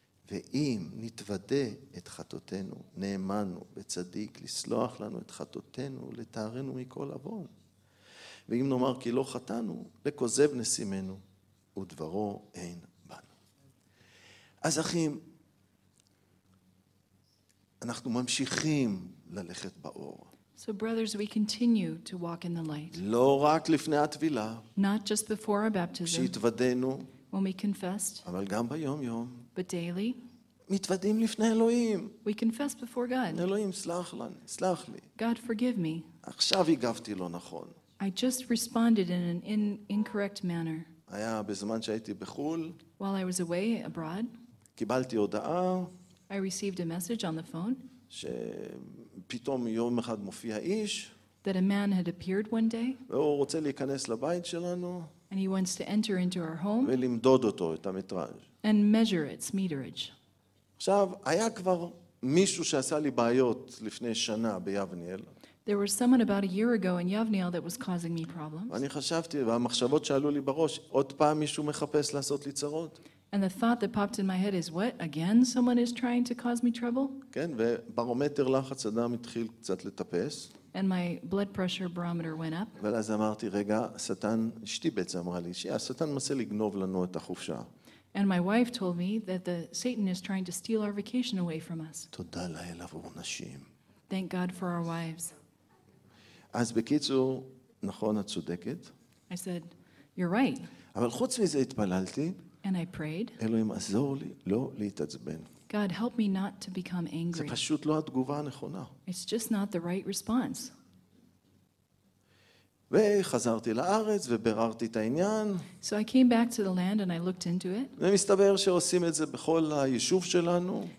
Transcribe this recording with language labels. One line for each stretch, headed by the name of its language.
Hebrew: ואם נתוודה את חטאותינו, נאמנו בצדיק לסלוח לנו את חטאותינו, לטהרנו מכל עוון. ואם נאמר כי לא חטאנו, לכוזב נשימנו, ודברו אין בנו. אז אחים, אנחנו ממשיכים ללכת באור.
English: So brothers, we continue to walk in the light.
Hebrew: לא רק לפני הטבילה.
English: Not just before our baptism.
Hebrew: כשהתוודנו.
English: When we confessed.
Hebrew: אבל גם ביום יום.
English: But daily,
Hebrew: מתוודים לפני אלוהים.
English: We confess before God.
Hebrew: אלוהים, סלח לנו, סלח לי.
English: God, forgive me.
Hebrew: עכשיו הגבתי לא נכון.
English: I just responded in an incorrect manner.
Hebrew: היה בזמן שהייתי בחול.
English: While I was away abroad.
Hebrew: קיבלתי הודעה.
English: I received a message on the phone.
Hebrew: שפתאום יום אחד מופיע איש.
English: That a man had appeared one day.
Hebrew: והוא רוצה להיכנס לבית שלנו.
English: And he wants to enter into our home.
Hebrew: ולמדוד אותו, את המטראז'.
English: And measure its meterage.
Hebrew: עכשיו, היה כבר מישהו שעשה לי בעיות לפני שנה ביבניאל.
English: There was someone about a year ago in Yavniel that was causing me problems.
Hebrew: ואני חשבתי, והמחשבות שעלו לי בראש, עוד פעם מישהו מחפש לעשות לי צרות.
English: And the thought that popped in my head is, what, again someone is trying to cause me trouble?
Hebrew: כן, וברומטר לחץ אדם התחיל קצת לטפס.
English: And my blood pressure barometer went up.
Hebrew: ואז אמרתי, רגע, שטן, אשתי בעצם אמרה לי, שטן מנסה לגנוב לנו את החופשה.
English: And my wife told me that the Satan is trying to steal our vacation away from us.
Hebrew: תודה לאל עבור נשים.
English: Thank God for our wives.
Hebrew: אז בקיצור, נכון, את צודקת.
English: I said, you're right.
Hebrew: אבל חוץ מזה התפללתי.
English: And I prayed.
Hebrew: אלוהים, עזור לי לא להתעצבן.
English: God, help me not to become angry.
Hebrew: זה פשוט לא התגובה הנכונה.
English: It's just not the right response.
Hebrew: וחזרתי לארץ וביררתי את העניין.
English: So I came back to the land and I looked into it.
Hebrew: ומסתבר שעושים את זה בכל היישוב שלנו.